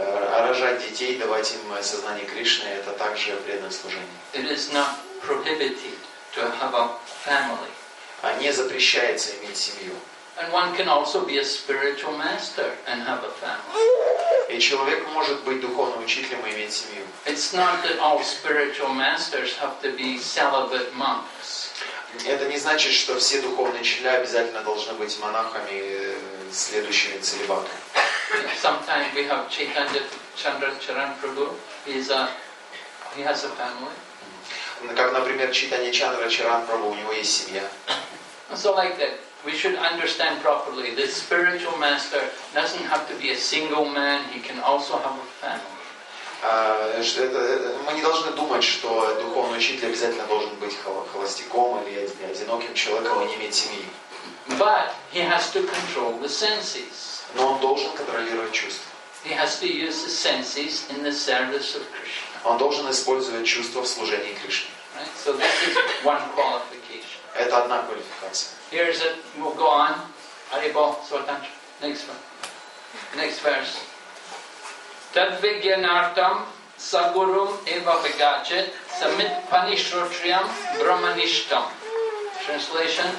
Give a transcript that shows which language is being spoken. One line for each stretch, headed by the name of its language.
Russian: Рожать детей, давать им сознание Кришны, это также преданное служение.
English: It is not prohibited to have a family.
Russian: Не запрещается иметь семью.
English: And one can also be a spiritual master and have a family.
Russian: И человек может быть духовным учителем и иметь семью.
English: It's not that all spiritual masters have to be celibate monks.
Russian: Это не значит, что все духовные учителя обязательно должны быть монахами, следующими целибатом.
English: Sometimes we have Chaitanya Chandracharan Prabhu. He has a family.
Russian: Как, например, Чайтанья Чандрачаран Прабху, у него есть семья.
English: So like that. We should understand properly that spiritual master doesn't have to be a single man, he can also have a family.
Russian: Мы не должны думать, что духовный учитель обязательно должен быть холостяком или одиноким человеком и не иметь семьи.
English: But he has to control the senses.
Russian: Но он должен контролировать чувства.
English: He has to use the senses in the service of Krishna.
Russian: Он должен использовать чувства в служении Кришне.
English: Right? So this is one qualification.
Russian: Это одна квалификация.
English: Here is it. We'll go on. Haribo, Swatantra. Next verse.
Sanskrit: Tadvigyanartam sagurum eva vigachit samitpanishrutriyam brahmanishtam.
English: Translation.